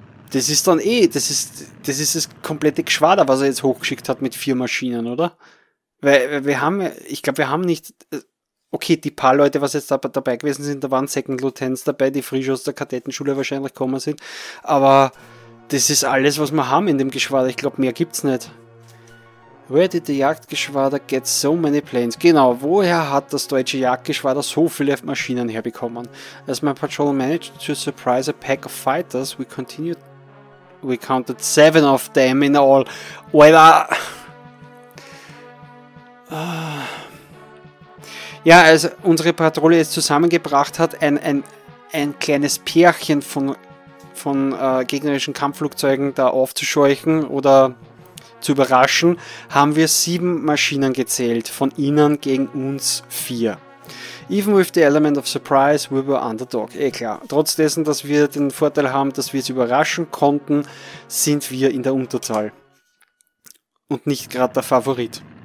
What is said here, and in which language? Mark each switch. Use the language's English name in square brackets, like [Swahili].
[German] Das ist dann eh, das ist das komplette Geschwader, was er jetzt hochgeschickt hat mit vier Maschinen, oder? Weil wir haben, ich glaube, wir haben nicht... Okay, die paar Leute, was jetzt dabei gewesen sind, da waren Second Lieutenants dabei, die frisch aus der Kadettenschule wahrscheinlich gekommen sind. Aber das ist alles, was wir haben in dem Geschwader. Ich glaube, mehr gibt's nicht. [English] Where did the Jagdgeschwader get so many planes? [German] Genau, woher hat das deutsche Jagdgeschwader so viele Maschinen herbekommen? [English] As my patrol managed to surprise a pack of fighters, we counted seven of them in all. [German] Alter! Ja, also unsere Patrouille jetzt zusammengebracht hat, ein kleines Pärchen von gegnerischen Kampfflugzeugen da aufzuscheuchen oder zu überraschen, haben wir sieben Maschinen gezählt, von ihnen gegen uns vier. [English] Even with the element of surprise, we were underdog. [German] Klar. Trotz dessen, dass wir den Vorteil haben, dass wir es überraschen konnten, sind wir in der Unterzahl und nicht gerade der Favorit.